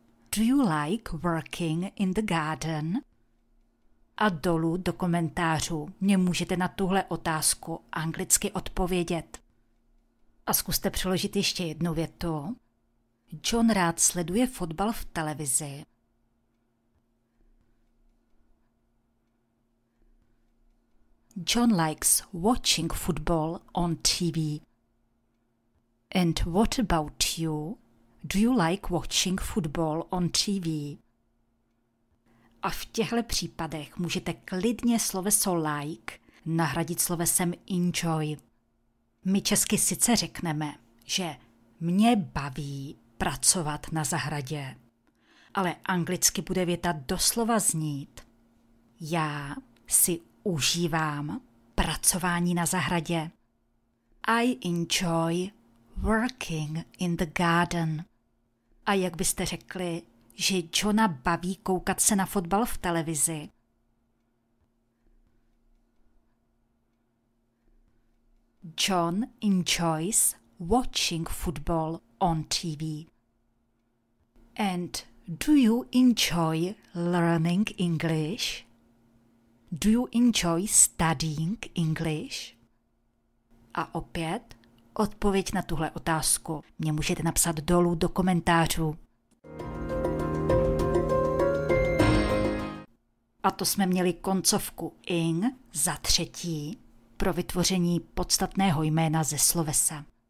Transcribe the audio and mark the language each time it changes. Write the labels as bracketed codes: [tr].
[en] Do you like working in the garden? [cs] A dolů do komentářů mě můžete na tuhle otázku anglicky odpovědět. A zkuste přeložit ještě jednu větu. John rád sleduje fotbal v televizi. [en] John likes watching football on TV. And what about you? Do you like watching football on TV? [cs] A v těchto případech můžete klidně sloveso like nahradit slovesem enjoy. My česky sice řekneme, že mě baví pracovat na zahradě, ale anglicky bude věta doslova znít: já si užívám pracování na zahradě. [en] I enjoy working in the garden. [cs] A jak byste řekli, že Johna baví koukat se na fotbal v televizi? [en] John enjoys watching football on TV. And do you enjoy learning English? Do you enjoy studying English? [cs] A opět, odpověď na tuhle otázku mě můžete napsat dolů do komentářů. A to jsme měli koncovku ing za třetí pro vytvoření podstatného jména ze slovesa.